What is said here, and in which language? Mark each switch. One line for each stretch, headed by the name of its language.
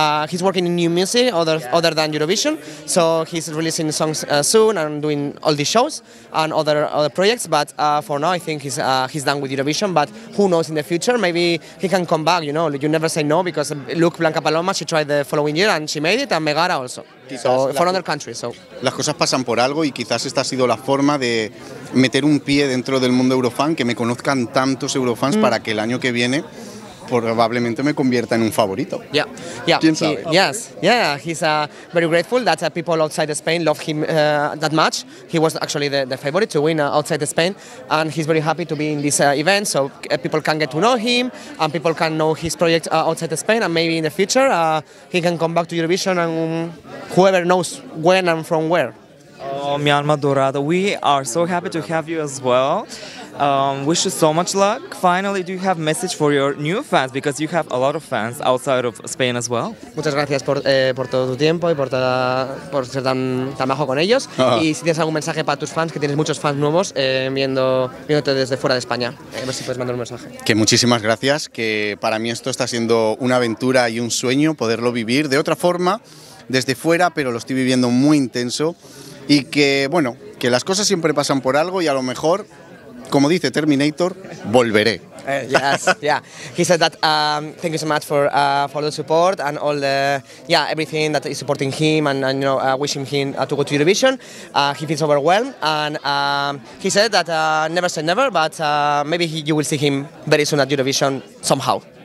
English: He's working in new music other than Eurovision, so he's releasing songs soon and doing all these shows and other projects, but for now I think he's done with Eurovision, but who knows in the future, maybe he can come back, you know, you never say no, because look, Blanca Paloma, she tried the following year and she made it, and Megara also. So, for other countries, so.
Spanish: Las cosas pasan por algo y quizás esta ha sido la forma de meter un pie dentro del mundo Eurofan, que me conozcan tantos Eurofans para que el año que viene probablemente me convierta en un favorito.
English: Yeah, yeah.
Spanish: ¿Quién sabe?
English: Yes, yeah. He's very grateful that people outside Spain love him that much. He was actually the favorite to win outside Spain, and he's very happy to be in this event, so people can get to know him and people can know his project outside Spain, and maybe in the future he can come back to Eurovision, and whoever knows when and from where. Oh,
Spanish: mi alma dorada,
English: we are so happy to have you as well. Wish you so much luck. Finally, do you have a message for your new fans? Because you have a lot of fans outside of Spain as well.
Spanish: Muchas gracias por todo tu tiempo y por ser tan majo con ellos. Uh-huh. Y si tienes algún mensaje para tus fans, que tienes muchos fans nuevos viéndote desde fuera de España. A ver si puedes mandar un mensaje. Que muchísimas gracias, que para mí esto está siendo una aventura y un sueño poderlo vivir de otra forma, desde fuera, pero lo estoy viviendo muy intenso. Y que, bueno, que las cosas siempre pasan por algo y a lo mejor, como dice Terminator, volveré.
English: Yes, yeah. He said that thank you so much for the support and all the, yeah, everything that is supporting him and you know, wishing him to go to Eurovision. He feels overwhelmed and he said that never say never, but maybe you will see him very soon at Eurovision somehow.